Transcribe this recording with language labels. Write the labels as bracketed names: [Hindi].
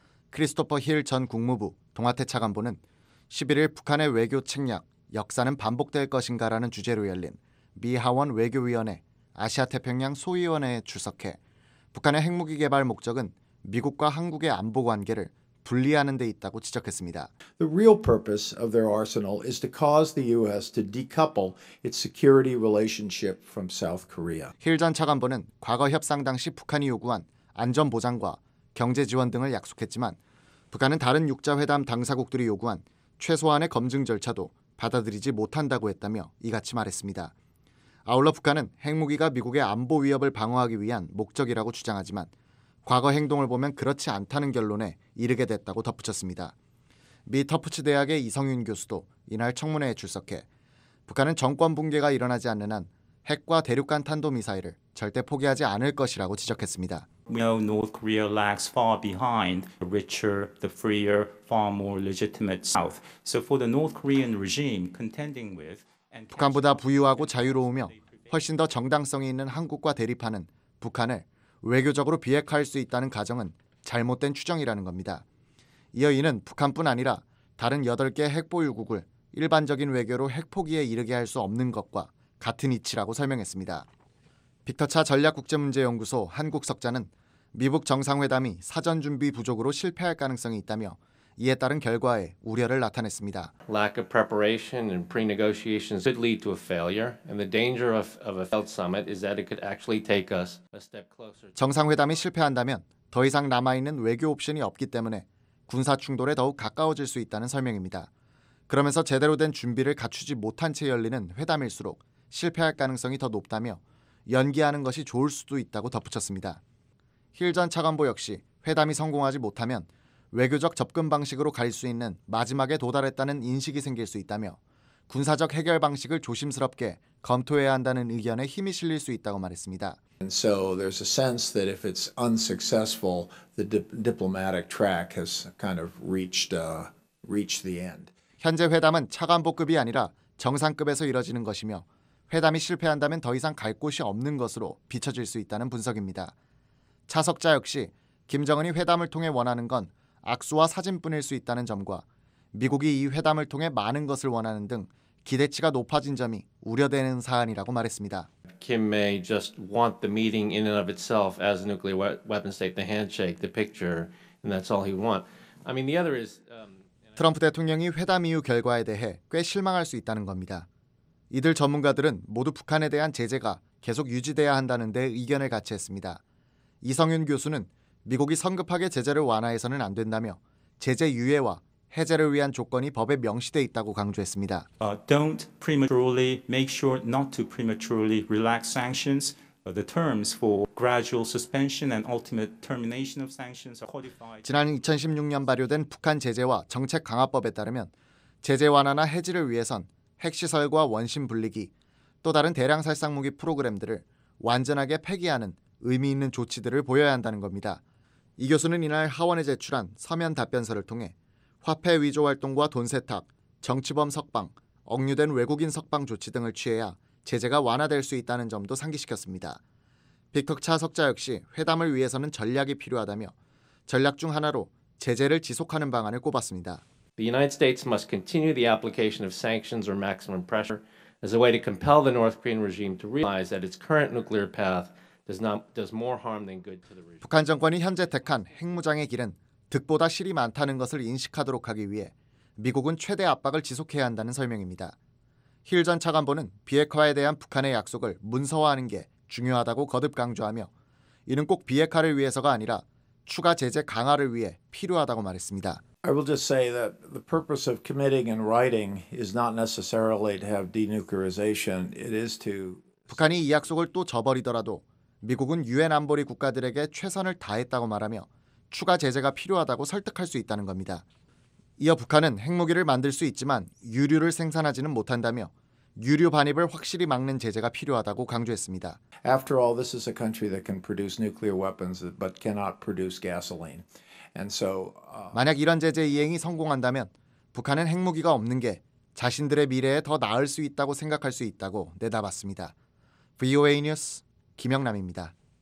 [Korean] 크리스토퍼 힐 전 국무부 동아태 차관보는 11일 북한의 외교 책략, 역사는 반복될 것인가라는 주제로 열린 미 하원 외교위원회 아시아태평양 소위원회에 출석해 북한의 핵무기 개발 목적은 미국과 한국의 안보 관계를 분리하는 데 있다고 지적했습니다. [English] The real purpose of their arsenal is to cause the U.S. to decouple its security relationship from South Korea. [Korean] 힐 전 차관보는 과거 협상 당시 북한이 요구한 안전 보장과 경제 지원 등을 약속했지만 북한은 다른 6자 회담 당사국들이 요구한 최소한의 검증 절차도 받아들이지 못한다고 했다며 이같이 말했습니다. 아울러 북한은 핵무기가 미국의 안보 위협을 방어하기 위한 목적이라고 주장하지만 과거 행동을 보면 그렇지 않다는 결론에 이르게 됐다고 덧붙였습니다. 미 터프츠 대학의 이성윤 교수도 이날 청문회에 출석해 북한은 정권 붕괴가 일어나지 않는 한 핵과 대륙간 탄도미사일을 절대 포기하지 않을 것이라고 지적했습니다. [English] We know North Korea lags far behind the richer, the freer, far more legitimate South. So for the North Korean regime contending with [Korean] and 북한보다 부유하고 자유로우며 훨씬 더 정당성이 있는 한국과 대립하는 북한을 외교적으로 비핵화할 수 있다는 가정은 잘못된 추정이라는 겁니다. 이어 이는 북한뿐 아니라 다른 8개 핵보유국을 일반적인 외교로 핵포기에 이르게 할 수 없는 것과 같은 이치라고 설명했습니다. 빅터 차 전략국제문제연구소 한국석좌는 미북 정상회담이 사전 준비 부족으로 실패할 가능성이 있다며 이에 따른 결과에 우려를 나타냈습니다. [English] Lack of preparation and pre-negotiations could lead to a failure, and the danger of a failed summit is that it could actually take us a step closer. [Korean] 정상회담이 실패한다면 더 이상 남아 있는 외교 옵션이 없기 때문에 군사 충돌에 더욱 가까워질 수 있다는 설명입니다. 그러면서 제대로 된 준비를 갖추지 못한 채 열리는 회담일수록 실패할 가능성이 더 높다며 연기하는 것이 좋을 수도 있다고 덧붙였습니다. 힐 전 차관보 역시 회담이 성공하지 못하면 외교적 접근 방식으로 갈 수 있는 마지막에 도달했다는 인식이 생길 수 있다며 군사적 해결 방식을 조심스럽게 검토해야 한다는 의견에 힘이 실릴 수 있다고 말했습니다. [English] And so there's a sense that if it's unsuccessful, the diplomatic track has kind of reached the end. [Korean] 현재 회담은 차관보급이 아니라 정상급에서 이뤄지는 것이며 회담이 실패한다면 더 이상 갈 곳이 없는 것으로 비춰질 수 있다는 분석입니다. 차석자 역시 김정은이 회담을 통해 원하는 건 악수와 사진뿐일 수 있다는 점과 미국이 이 회담을 통해 많은 것을 원하는 등 기대치가 높아진 점이 우려되는 사안이라고 말했습니다. [English] Kim may just want the meeting in and of itself as a nuclear weapon state, the handshake, the picture, and that's all he want. I mean, the other is [Korean] 트럼프 대통령이 회담 이후 결과에 대해 꽤 실망할 수 있다는 겁니다. 이들 전문가들은 모두 북한에 대한 제재가 계속 유지돼야 한다는 데 의견을 같이 했습니다. 이성윤 교수는 미국이 성급하게 제재를 완화해서는 안 된다며 제재 유예와 해제를 위한 조건이 법에 명시돼 있다고 강조했습니다. [English] Don't prematurely make sure not to prematurely relax sanctions. The terms for gradual suspension and ultimate termination of sanctions are codified. [Korean] 지난 2016년 발효된 북한 제재와 정책 강화법에 따르면 제재 완화나 해지를 위해선 핵시설과 원심 불리기, 또 다른 대량 살상무기 프로그램들을 완전하게 폐기하는 의미 있는 조치들을 보여야 한다는 겁니다. 이 교수는 이날 하원에 제출한 서면 답변서를 통해 화폐 위조 활동과 돈 세탁, 정치범 석방, 억류된 외국인 석방 조치 등을 취해야 제재가 완화될 수 있다는 점도 상기시켰습니다. 빅터 차 석좌 역시 회담을 위해서는 전략이 필요하다며 전략 중 하나로 제재를 지속하는 방안을 꼽았습니다. [English] The United States must continue the application of sanctions or maximum pressure as a way to compel the North Korean regime to realize that its current nuclear path does more harm than good to the regime. [Korean] 북한 정권이 현재 택한 핵무장의 길은 득보다 실이 많다는 것을 인식하도록 하기 위해 미국은 최대 압박을 지속해야 한다는 설명입니다. 힐 전 차관보는 비핵화에 대한 북한의 약속을 문서화하는 게 중요하다고 거듭 강조하며 이는 꼭 비핵화를 위해서가 아니라 추가 제재 강화를 위해 필요하다고 말했습니다. [English] I will just say that the purpose of committing in writing is not necessarily to have denuclearization. It is to [Korean] 북한이 이 약속을 또 저버리더라도 미국은 유엔 안보리 국가들에게 최선을 다했다고 말하며 추가 제재가 필요하다고 설득할 수 있다는 겁니다. 이어 북한은 핵무기를 만들 수 있지만 유류를 생산하지는 못한다며 유류 반입을 확실히 막는 제재가 필요하다고 강조했습니다. [English] After all, this is a country that can produce nuclear weapons but cannot produce gasoline. And so [Korean] 만약 이런 제재 이행이 성공한다면 북한은 핵무기가 없는 게 자신들의 미래에 더 나을 수 있다고 생각할 수 있다고 내다봤습니다. VOA 뉴스 김영남입니다.